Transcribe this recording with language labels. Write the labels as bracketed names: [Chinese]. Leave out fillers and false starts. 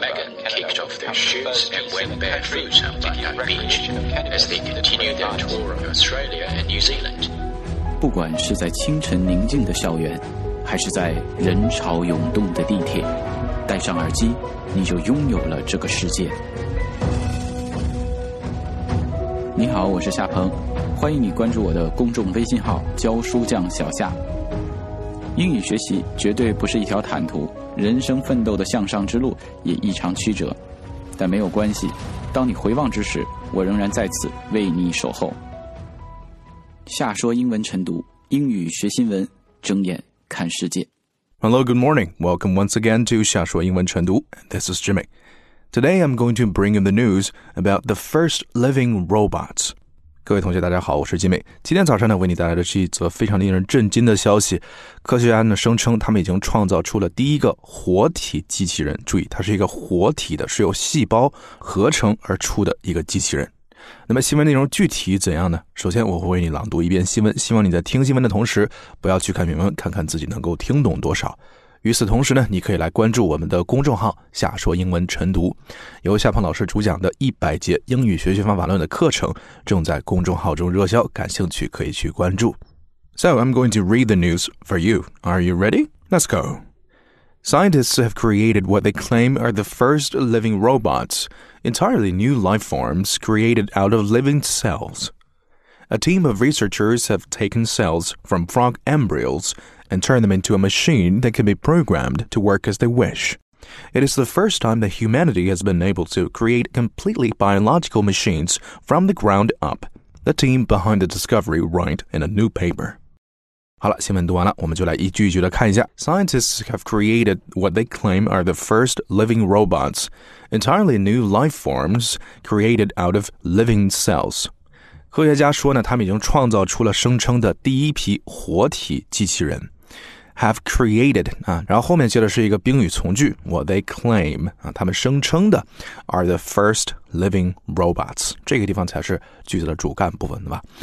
[English] Megan kicked off their shoes and went barefoot on Bondi Beach as they continued their tour of Australia and New Zealand. [Chinese] 不管是在清晨宁静的校园，还是在人潮涌动的地铁，戴上耳机，你就拥有了这个世界。你好，我是夏鹏，欢迎你关注我的公众微信号教书匠小夏。英语学习绝对不是一条坦途，人生奋斗的向上之路也异常曲折，但没有关系，当你回望之时，我仍然在此为你守候。夏说英文晨读，英语学新闻，睁眼看世界。 [English] Hello, good morning. Welcome once again to 夏说英文晨读。This is Jimmy. Today I'm going to bring you the news about the first living robots. [Chinese] 各位同学大家好，我是 Jimmy。今天早上呢，为你带来的是一则非常令人震惊的消息。科学家呢声称他们已经创造出了第一个活体机器人。注意，它是一个活体的，是由细胞合成而出的一个机器人。那么新闻内容具体怎样呢？首先我会为你朗读一遍新闻，希望你在听新闻的同时不要去看原文，看看自己能够听懂多少。与此同时呢，你可以来关注我们的公众号夏说英文晨读，由夏鹏老师主讲的100节英语学习方法论的课程正在公众号中热销，感兴趣可以去关注。 [English] So I'm going to read the news for you. Are you ready? Let's go. Scientists have created what they claim are the first living robots. Entirely new life forms created out of living cells. A team of researchers have taken cells from frog embryos and turned them into a machine that can be programmed to work as they wish. It is the first time that humanity has been able to create completely biological machines from the ground up, the team behind the discovery write in a new paper. [Chinese] 好了，新闻读完了，我们就来一句一句的看一下。 [English] Scientists have created what they claim are the first living robots, entirely new life forms created out of living cells. [Chinese] 科学家说呢，他们已经创造出了声称的第一批活体机器人。 Have created, 啊，然后后面接的是一个宾语从句 [English] what they claim, [Chinese] 啊，他们声称的 [English] are the first living robots, [Chinese] 这个地方才是句子的主干部分，对吧？